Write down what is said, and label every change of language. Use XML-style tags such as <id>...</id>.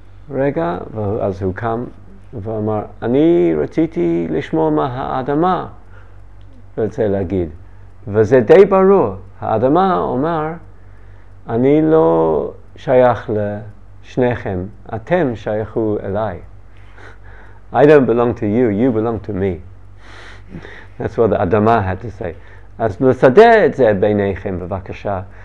<he>רגע, ואז הוא קם ואמר, אני רציתי לשמוע מה האדמה. רוצה להגיד, וזה די ברור, האדמה אומר, אני לא שייך לשניכם, אתם שייכו אליי.</he> <en>I don't belong to you, you belong to me. That's what the אדמה had to say.</en> <he>אז לסדר את זה ביניכם, בבקשה.</he>